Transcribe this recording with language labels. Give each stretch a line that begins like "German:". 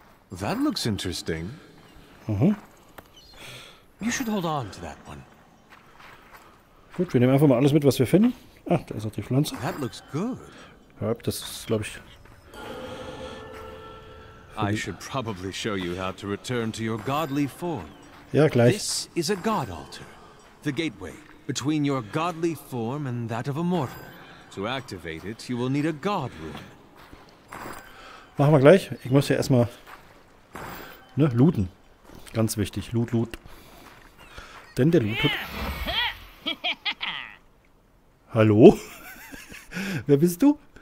English: That looks interesting. Mhm. You should hold on to that one.
German: Gut, wir nehmen einfach mal alles mit, was wir finden. Ach, da ist auch die Pflanze.
English: That looks good.
German: Ja, das ist, glaube ich.
English: I should probably show you how to return to your godly form.
German: Ja, gleich.
English: This is a god altar, the gateway between your godly form and that of a mortal. To activate it, you will need a god rune.
German: Machen wir gleich. Ich muss ja erstmal, ne, looten. Ganz wichtig, loot, loot. Denn der Loot. Hallo? Wer bist du?